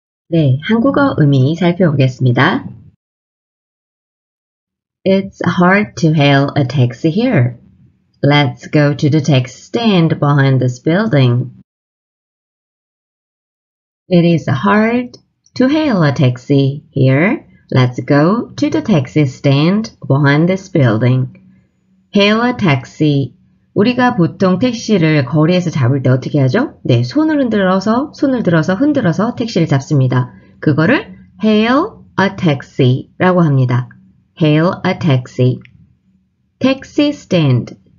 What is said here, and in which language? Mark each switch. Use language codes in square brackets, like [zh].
[ko] 네, 한국어 의미 살펴보겠습니다. [en] It's hard to hail a taxi here. Let's go to the taxi stand behind this building. It is hard to hail a taxi here. Let's go to the taxi stand behind this building. Hail a taxi. [ko] 우리가 보통 택시를 거리에서 잡을 때 어떻게 하죠? 네, 손을 들어서 흔들어서 택시를 잡습니다. 그거를 [en] hail a taxi [ko] 라고 합니다. [en] Hail a taxi. Taxi stand.